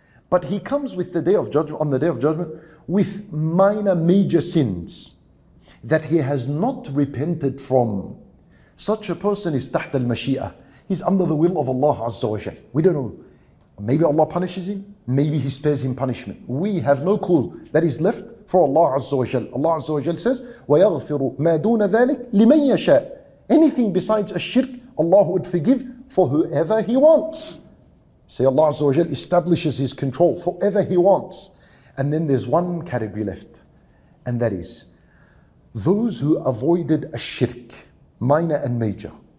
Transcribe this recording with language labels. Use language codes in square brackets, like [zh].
[en] But he comes with the Day of Judgment, on the Day of Judgment, with minor, major sins that he has not repented from. Such a person is تحت المشيئة. He's under the will of Allah Azza wa Jal. We don't know. Maybe Allah punishes him. Maybe he spares him punishment. We have no clue. That is left for Allah Azza wa Jal. Allah Azza wa Jal says, [ar] وَيَغْفِرُ مَا دُونَ ذَلِكَ لِمَنْ يَشَاءُ. [en] Anything besides a shirk, Allah would forgive for whoever he wants. Say Allah Azza wa Jal establishes his control forever he wants. And then there's one category left. And that is, those who avoided a shirk, minor and major.